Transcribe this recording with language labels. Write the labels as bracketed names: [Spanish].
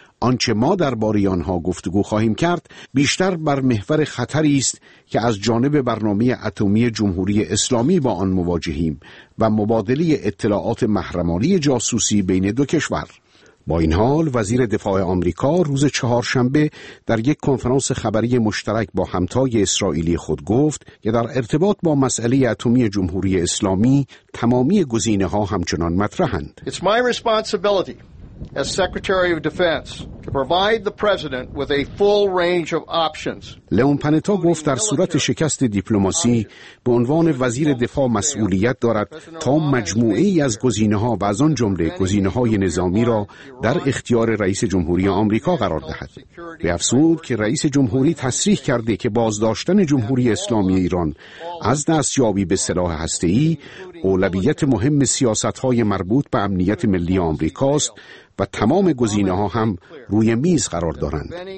[Persian] آنچه ما درباره آنها گفتگو خواهیم کرد بیشتر بر محور خطری است که از جانب برنامه اتمی جمهوری اسلامی با آن مواجهیم و مبادله اطلاعات محرمانه جاسوسی بین دو کشور. با این حال وزیر دفاع آمریکا روز چهارشنبه در یک کنفرانس خبری مشترک با همتای اسرائیلی خود گفت که در ارتباط با مسئله اتمی جمهوری اسلامی تمامی گزینه‌ها همچنان مطرحند. [English] It's my responsibility as Secretary of Defense to provide the president with a full range of options. [Persian] لئون پانتا گفت در صورت شکست دیپلماسی به عنوان وزیر دفاع مسئولیت دارد تا مجموعه ای از گزینه‌ها و از آن جمله گزینه‌های نظامی را در اختیار رئیس جمهوری آمریکا قرار دهد. به افسود که رئیس جمهوری تصریح کرده که بازداشتن جمهوری اسلامی ایران از دستیابی به سلاح هسته‌ای اولویت مهم سیاست‌های مربوط به امنیت ملی آمریکا است و تمام گزینه‌ها هم روی میز قرار دارند.